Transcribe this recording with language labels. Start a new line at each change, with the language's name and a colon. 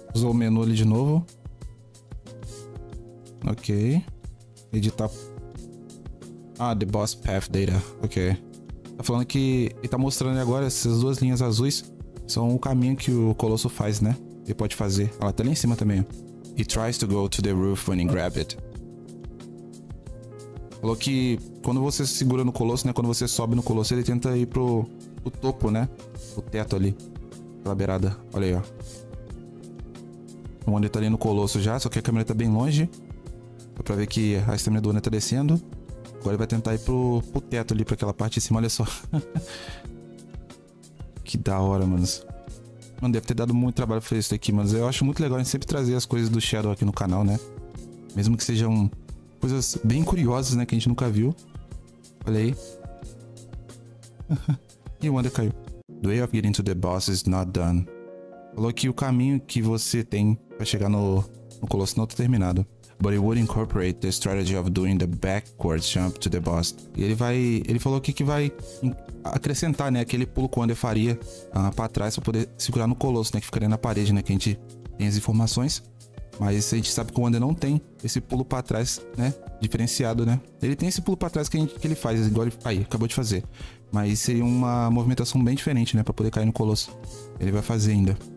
Portuguese: Usou o menu ali de novo. Ok. Editar... ah,
English: the boss path data.
Portuguese: Ok. Tá falando que... ele tá mostrando agora essas duas linhas azuis. São o caminho que o colosso faz, né? Ele pode fazer. Olha, tá ali em cima também.
English: He tries to go to the roof when he grabs it.
Portuguese: Falou que... quando você segura no colosso, né? Quando você sobe no colosso, ele tenta ir pro topo, né? O teto ali. Pela beirada. Olha aí, ó. O Wander tá ali no colosso já. Só que a câmera tá bem longe. Dá pra ver que a estamina do Wander tá descendo. Agora ele vai tentar ir pro teto ali, pra aquela parte de cima, olha só. Que da hora, manos. Mano, deve ter dado muito trabalho fazer isso aqui, manos. Eu acho muito legal a gente sempre trazer as coisas do Shadow aqui no canal, né? Mesmo que sejam coisas bem curiosas, né? Que a gente nunca viu. Olha aí. E o Wander caiu.
English: The way of getting to the boss is not done.
Portuguese: Falou que o caminho que você tem pra chegar no Colosso não tá terminado.
English: but it would incorporate the strategy of doing the backwards jump to the boss.
Portuguese: E ele vai, ele falou aqui que vai acrescentar, né, aquele pulo que o Wander faria para trás para poder segurar no colosso, né, que ficaria na parede, né, que a gente tem as informações. Mas a gente sabe que o Wander não tem esse pulo para trás, né, diferenciado, né. Ele tem esse pulo para trás que, a gente, que ele faz, igual ele aí, acabou de fazer. Mas seria uma movimentação bem diferente, né, para poder cair no colosso. Ele vai fazer ainda.